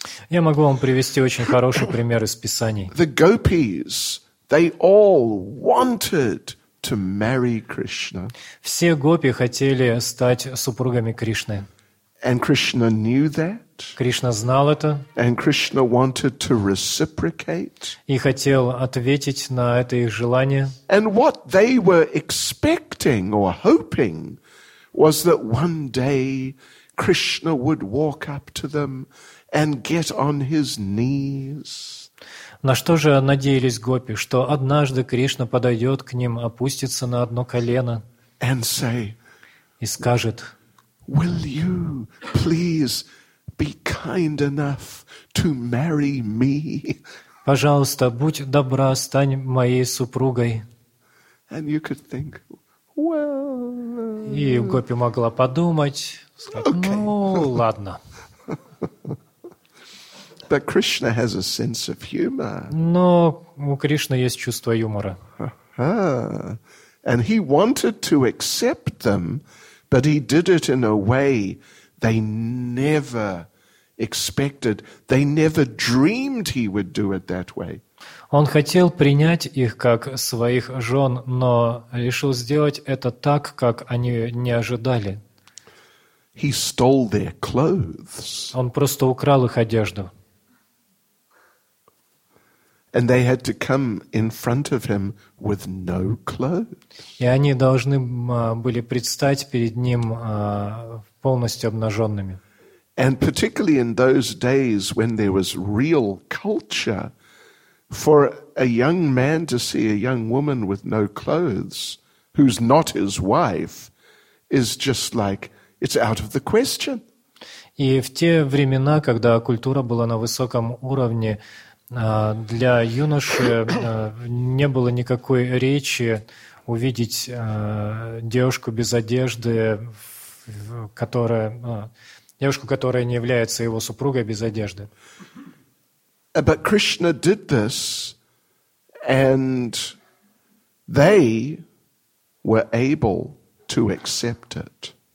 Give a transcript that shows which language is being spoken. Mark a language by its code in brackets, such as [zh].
[ru] Я могу вам привести очень хороший пример из Писаний. [en] The gopis, they all wanted to marry Krishna. [ru] Все гопи хотели стать супругами Кришны. [en] And Krishna knew that. [ru] Кришна знал это. [en] And Krishna wanted to reciprocate. [ru] И хотел ответить на это их желание. [en] And what they were expecting or hoping was that one day Krishna would walk up to them and get on his knees. [ru] На что же надеялись гопи, что однажды Кришна подойдет к ним, опустится на одно колено [en] and say, [ru] и скажет: [en] «Will you please be kind enough to marry me?» [ru] Пожалуйста, будь добра, стань моей супругой. [en] And you could think, well, [ru] и гопи могла подумать, сказать, [en] okay. [ru] «Ну, ладно». [en] But Krishna has a sense of humor. [ru] Но у Кришны есть чувство юмора. [en] And he wanted to accept them, but he did it in a way they never expected. They never dreamed he would do it that way. [ru] Он хотел принять их как своих жен, но решил сделать это так, как они не ожидали. [en] He stole their clothes. [ru] Он просто украл их одежду. [en] And they had to come in front of him with no clothes. [ru] И они должны были предстать перед ним полностью обнаженными. [en] And particularly in those days when there was real culture, for a young man to see a young woman with no clothes, who's not his wife, is just like, it's out of the question. [ru] И в те времена, когда культура была на высоком уровне, для юноши не было никакой речи увидеть девушку без одежды, которая, девушку, которая не является его супругой, без одежды. [en] But Krishna did this, and they were able to accept it.